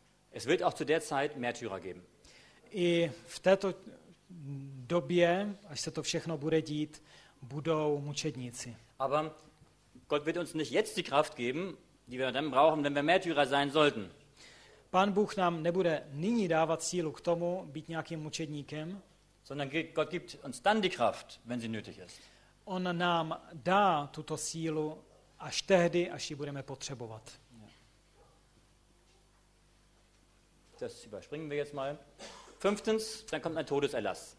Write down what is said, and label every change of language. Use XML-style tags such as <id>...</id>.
<de>Es wird auch zu der Zeit Märtyrer geben.</de> <cs>I v této době, až se to všechno bude dít, budou mučedníci.</cs> <de>Aber Gott wird uns nicht jetzt die Kraft geben, die wir dann brauchen, wenn wir Märtyrer sein sollten.</de> <cs>Pán Bůh nám nebude nyní dávat sílu k tomu být nějakým mučedníkem,</cs> <de>sondern Gott gibt uns dann die Kraft, wenn sie nötig ist.</de> <cs>On nám dá tuto sílu až tehdy, až ji budeme potřebovat.</cs> <de>Das überspringen wir jetzt mal. Fünftens, dann kommt ein Todeserlass.</de>